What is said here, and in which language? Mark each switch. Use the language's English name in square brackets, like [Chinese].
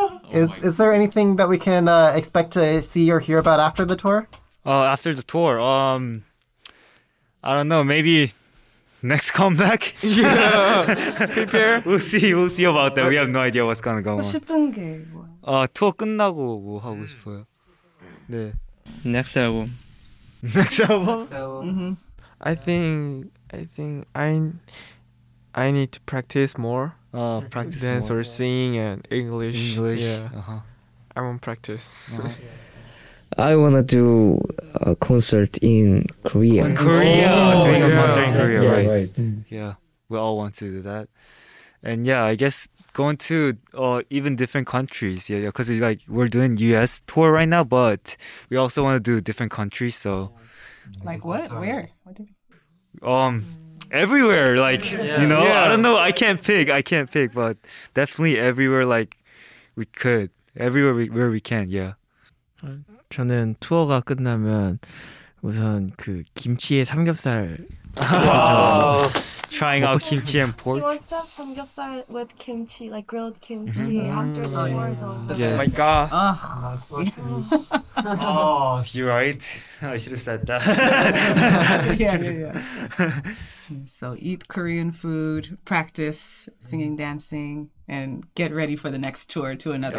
[English] Is there anything that we can expect to see or hear about after the tour? After the tour, I don't know. Maybe next comeback. Yeah. Prepare. We'll see about that. We have no idea what's gonna go on. [Korean] 싶은 게 뭐? 투어 끝나고 뭐 하고 싶어요. 네. [English] Next album. Next album. Mm-hmm. I think I need to practice more. Practice dance more. Or singing and English. English. Yeah. Uh-huh. I want practice. I wanna do a concert in Korea. In Korea. Concert in Korea. Yeah, right. Yeah. We all want to do that. And yeah, I guess going to even different countries. Yeah, yeah. Because like we're doing U.S. tour right now, but we also want to do different countries. So. Like what? Where? Everywhere, like, yeah. You know, yeah. I don't know, I can't pick, but definitely everywhere, like, we could, everywhere where we can, yeah. [Korean] 저는 투어가 끝나면 우선 그 김치에 삼겹살. [English] Trying out kimchi and pork. He wants to have samgyeopsal with kimchi, like grilled kimchi, mm-hmm. after the tour is over. Oh my god. Oh, you're right. I should have said that. So eat Korean food, practice singing, dancing, and get ready for the next tour to another